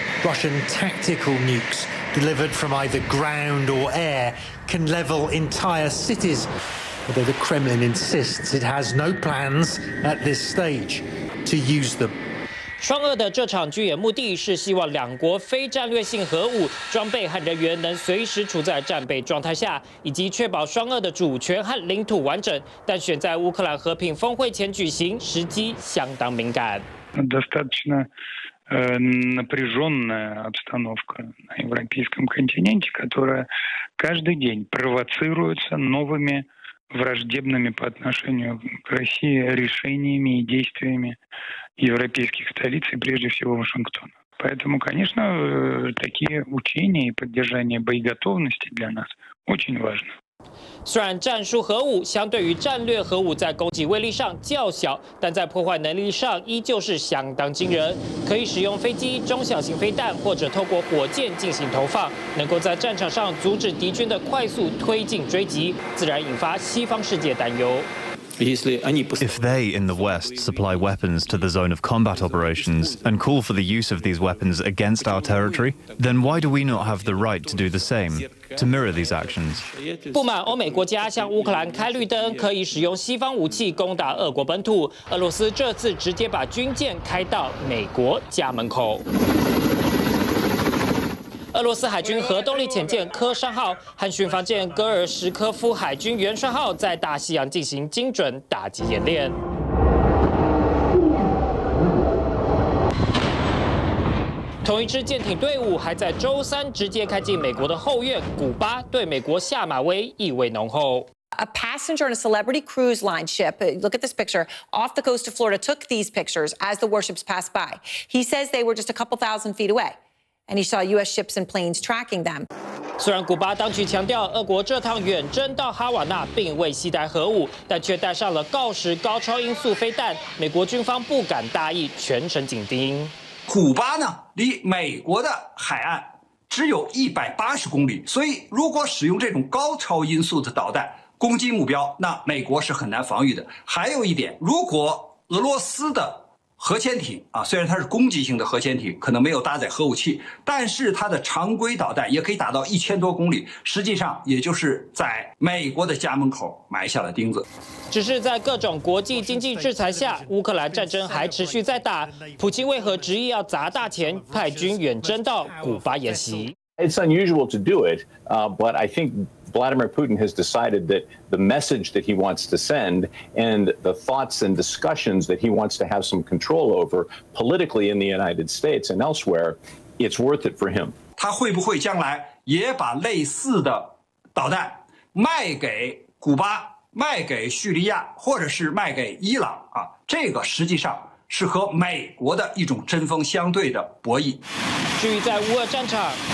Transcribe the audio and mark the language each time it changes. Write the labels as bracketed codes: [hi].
[en] Russian tactical nukes delivered from either ground or air can level entire cities, although the Kremlin insists it has no plans at this stage to use them. [zh] 双俄的这场军演目的是希望两国非战略性核武装备和人员能随时处在战备状态下，以及确保双俄的主权和领土完整，但选在乌克兰和平峰会前举行，时机相当敏感。 [ru] Достаточно напряженная обстановка на европейском континенте, которая каждый день провоцируется новыми враждебными по отношению к России решениями и действиями. европейских столиц и прежде всего Вашингтона. Поэтому, конечно, такие учения и поддержание боеготовности для нас очень важно. [zh] 虽然战术核武相对于战略核武在攻击威力上较小，但在破坏能力上依旧是相当惊人，可以使用飞机、中小型飞弹或者透过火箭进行投放，能够在战场上阻止敌军的快速推进追击，自然引发西方世界担忧。 [en] If they in the West supply weapons to the zone of combat operations and call for the use of these weapons against our territory, then why do we not have the right to do the same, to mirror these actions? [zh] 不满欧美国家向乌克兰开绿灯，可以使用西方武器攻打俄国本土，俄罗斯这次直接把军舰开到美国家门口。俄罗斯海军核动力潜舰科山号和巡防舰戈尔什科夫海军原船号在大西洋进行精准打击演练。同一支舰艇队伍还在周三直接开进美国的后院古巴，对美国下马威，意味浓厚。 [en] A passenger on a celebrity cruise line ship, look at this picture, off the coast of Florida took these pictures as the warships passed by. He says they were just a couple thousand feet away. And he saw U.S. ships and planes tracking them. [zh] 虽然古巴当局强调，俄国这趟远征到哈瓦那并未携带核武，但却带上了锆石高超音速飞弹。美国军方不敢大意，全程紧盯。古巴呢，离美国的海岸只有180公里，所以如果使用这种高超音速的导弹攻击目标，那美国是很难防御的。还有一点，如果俄罗斯的核潜艇啊，虽然它是攻击性的核潜艇，可能没有搭载核武器，但是它的常规导弹也可以打到1000多公里，实际上也就是在美国的家门口埋下了钉子。只是在各种国际经济制裁下，乌克兰战争还持续在打，普京为何执意要砸大钱派军远征到古巴演习？ [en] It's unusual to do it, but I think Vladimir Putin has decided that the message that he wants to send and the thoughts and discussions that he wants to have some control over politically in the United States and elsewhere, it's worth it for him. [zh] 他会不会将来也把类似的导弹卖给古巴、卖给叙利亚，或者是卖给伊朗啊？这个实际上是和美国的一种针锋相对的博弈。至于在乌俄战场。